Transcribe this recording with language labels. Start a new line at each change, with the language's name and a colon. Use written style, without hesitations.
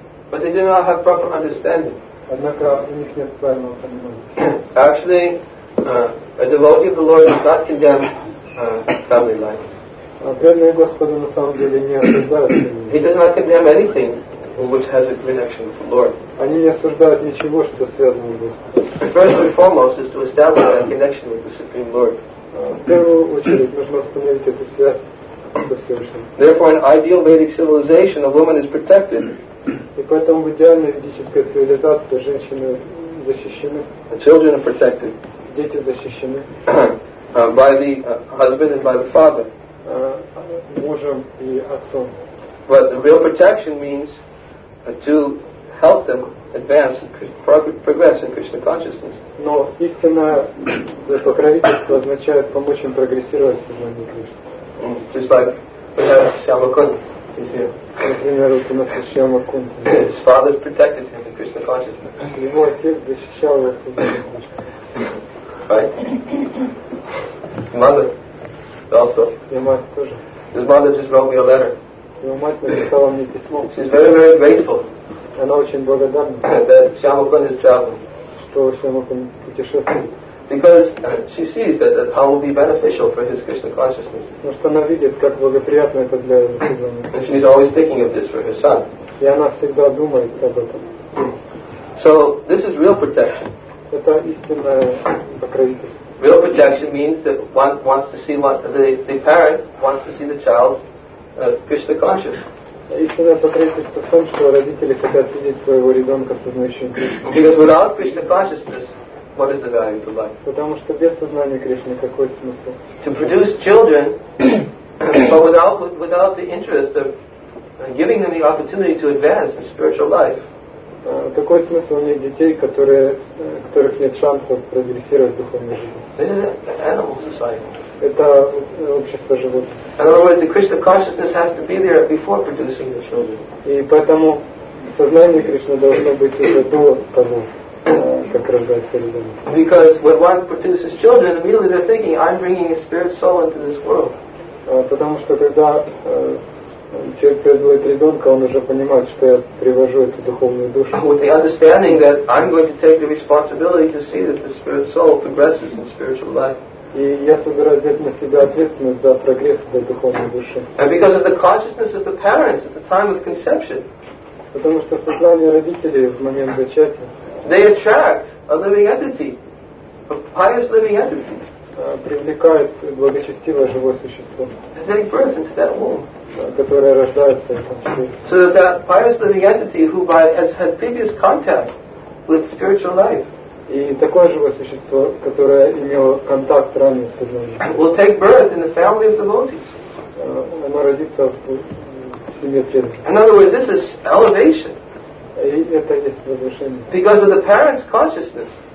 English: But they do not have proper understanding.
Russian: Однако у них нет правильного понимания.
English: Actually, a devotee of the Lord does not condemn family life.
Russian: Преданные Господу на самом деле не осуждают.
English: He does not condemn anything which has a connection with the Lord.
Russian: Они не осуждают ничего, что связано с Господом.
English: First and foremost is to establish that connection with the Supreme Lord.
Russian: В первую очередь нужно установить эту связь со Всевышним.
English: Therefore, in ideal Vedic civilization, a woman is protected.
Russian: И поэтому в идеальной ведической цивилизации женщины защищены.
English: The children are protected.
Russian: Дети защищены.
English: By the husband and by the father.
Russian: Мужем и отцом.
English: But the real protection means to help them advance and progress in Krishna consciousness.
Russian: Но истинное покровительство означает помочь им прогрессировать в сознании Кришны.
English: Just like we have Shyamakunta is here.
Russian: Например, вот у нас есть Shyamakunta.
English: His father protected him in Krishna consciousness.
Russian: Его отец защищал его в сознании Кришны.
English: Right? Mother also. Your mother
Russian: тоже.
English: His mother just wrote me a letter.
Russian: Его мать написала мне письмо.
English: She's very, very grateful.
Russian: Она очень благодарна.
English: That Shyamakunta is traveling.
Russian: Что Shyamakunta путешествует.
English: Because she sees that the town will be beneficial for his Krishna consciousness.
Russian: Потому что она видит, как благоприятно это для его сознания.
English: And she's always thinking of this for her son.
Russian: И она всегда думает об этом.
English: So this is real protection.
Russian: Это истинное покровительство.
English: Real protection means that one wants to see the parent wants to see the child. Krishna conscious.
Russian: Истинное покровительство в том, что родители хотят видеть своего ребенка сознающим Кришну.
English: Because without Krishna consciousness, what is the value of life?
Russian: Потому что без сознания Кришны какой смысл?
English: To produce children, but without the interest of giving them the opportunity to advance in spiritual life.
Russian: Какой смысл иметь детей, которых нет шансов прогрессировать в духовной жизни?
English: Animal society.
Russian: Это общество животных.
English: In other words, the Krishna consciousness has to be there before producing the children.
Russian: И поэтому сознание Кришны должно быть уже до того, как рождается ребенок.
English: Because when one produces children, immediately they're thinking, I'm bringing a spirit soul into this world.
Russian: Потому что когда человек производит ребенка, он уже понимает, что я привожу эту духовную душу.
English: With the understanding that I'm going to take the responsibility to see that the spirit soul progresses in spiritual life.
Russian: И я собираюсь взять на себя ответственность за прогресс этой духовной души.
English: And because of the consciousness of the parents at the time of conception.
Russian: Потому что сознание родителей в момент зачатия.
English: They attract a living entity, a pious living entity.
Russian: Привлекают благочестивое живое существо.
English: They take birth into that womb.
Russian: Которое рождается.
English: So that that pious living entity who by has had previous contact with spiritual life.
Russian: И такое живое существо, которое имело контакт ранее с сознанием.
English: Will take birth in the family of devotees.
Russian: Оно родится в семье преданных.
English: In other words, this is elevation.
Russian: И это есть возвышение.
English: Because of the parents' consciousness.